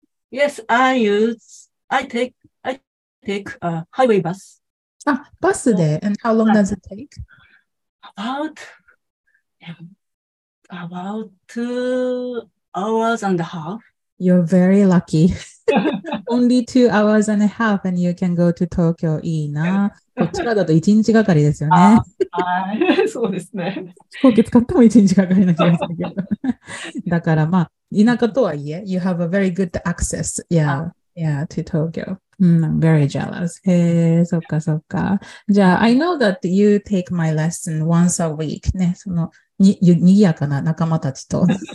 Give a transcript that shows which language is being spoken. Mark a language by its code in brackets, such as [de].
[en] Yes, I take a highway bus. Ah, bus there. And how long does it take? About 2 hours and a half. You're very lucky. Only 2 hours and a half and you can go to Tokyo. [ja] いいな。こちらだと1日がかりですよね。あそうですね。飛行機使っても1日がかりな気がするけど。だからまあ、田舎とはいえ、 [en] you have a very good access. Yeah, to Tokyo.、I'm very jealous. [ja] へえ、そっかそっか。じゃあ、 [en] I know that you take my lesson once a week. [ja] ね、その、にぎやかな仲間たちと。